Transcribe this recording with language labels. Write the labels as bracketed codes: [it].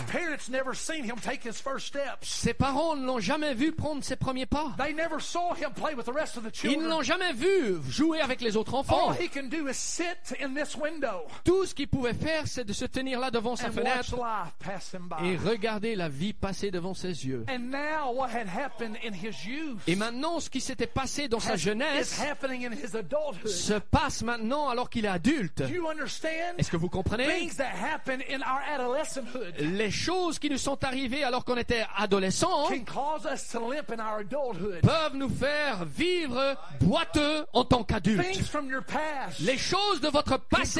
[en] His parents never seen him take his first steps. [fr] Ses parents ne l'ont jamais vu prendre ses premiers pas. [en] They never saw him play with the rest of the children. [fr] Ils ne l'ont jamais vu jouer avec les autres enfants. [en] All he can do is sit in this window. [fr] Tout ce qu'il pouvait faire, c'est de se tenir là devant sa [en] And [fr] fenêtre. [en] Watch life pass him by. [fr] Et regarder la vie passer devant ses yeux. [en] And now what had happened in his youth [fr] Et maintenant, ce qui s'était passé dans sa jeunesse [en] is happening in his adulthood. [fr] Se passe maintenant alors qu'il est adulte. [en] Do you understand? [fr] Est-ce que vous comprenez? [en] Things that happen in our adolescenthood [fr] Les choses qui nous sont arrivées alors qu'on était adolescent [en] can cause us to limp in our adulthood. [fr] Peuvent nous faire vivre boiteux en tant qu'adulte. [en] Things from your past [fr] Les choses de votre passé